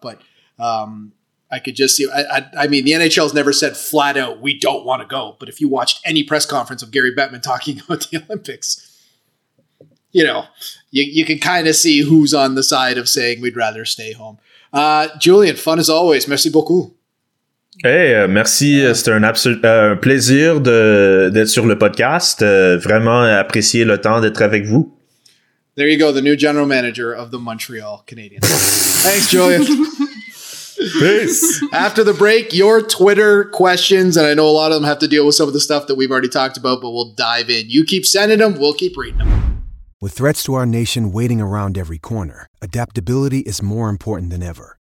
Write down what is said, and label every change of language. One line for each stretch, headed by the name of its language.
English: But I could just see, I mean, the NHL has never said flat out, we don't want to go. But if you watched any press conference of Gary Bettman talking about the Olympics, you know, you can kind of see who's on the side of saying we'd rather stay home. Julian, fun as always.
French: Merci beaucoup. Hey, merci. C'était un absolu- plaisir d'être sur le podcast. Vraiment apprécié le temps d'être avec vous.
English: There you go, the new general manager of the Montreal Canadiens. Thanks, Julian. Peace. After the break, your Twitter questions, and I know a lot of them have to deal with some of the stuff that we've already talked about, but we'll dive in. You keep sending them, we'll keep reading them. With threats to our nation waiting around every corner, adaptability is more important than ever.